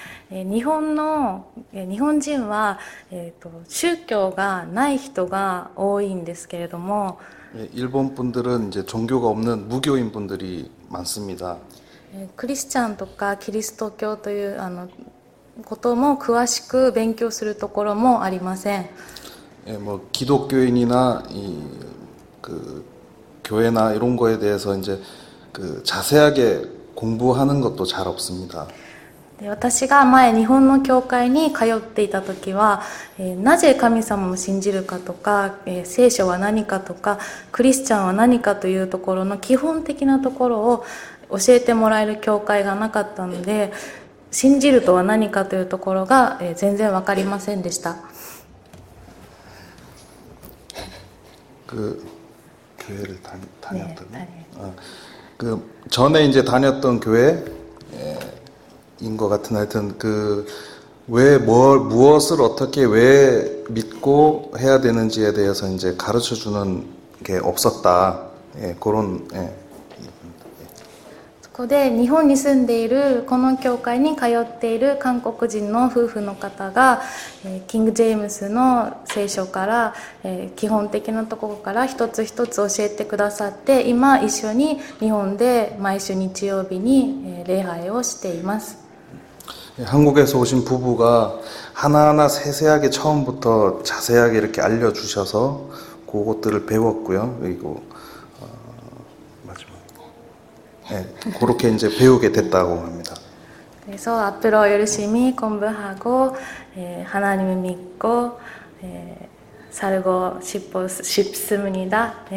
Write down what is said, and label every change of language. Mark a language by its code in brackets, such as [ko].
[ja] 日本人は、宗教がない人が多いんですけれども、 [ko] 예, 일본 분들은 이제 종교가 없는 무교인 분들이 많습니다. [ja] 크리스チャンとかキリスト教ということも詳しく勉強するところもありません。 [ko] 예, 뭐 기독교인이나 이그 교회나 이런 거에 대해서 이제 그 자세하게 공부하는 것도 잘 없습니다. [ja] 私が前日本の教会に通っていた時は、なぜ神様を信じるかとか、聖書は何かとか、クリスチャンは何かというところの基本的なところを教えてもらえる教会がなかったので、信じるとは何かというところが、全然わかりませんでした。 [ko] 그 교회를 네, 다녔던 그 전에 이제 다녔던 교회인 것 같은 하여튼 그왜뭘 무엇을 어떻게 왜 믿고 해야 되는지에 대해서 이제 가르쳐 주는 게 없었다. 예, 그런 예. [ja] ここで日本に住んでいるこの教会に通っている韓国人の夫婦の方が、キング・ジェームスの聖書から、基本的なところから一つ一つ教えてくださって、今一緒に日本で毎週日曜日に、礼拝をしています。 [ko] 한국에서 오신 부부가 하나하나 세세하게 처음부터 자세하게 이렇게 알려주셔서 그것들을 배웠고요. 그리고, 네, 그렇게 이제 배우게 됐다고 합니다. 그래서 앞으로 열심히 공부하고, 하나님을 믿고, 살고 싶습니다.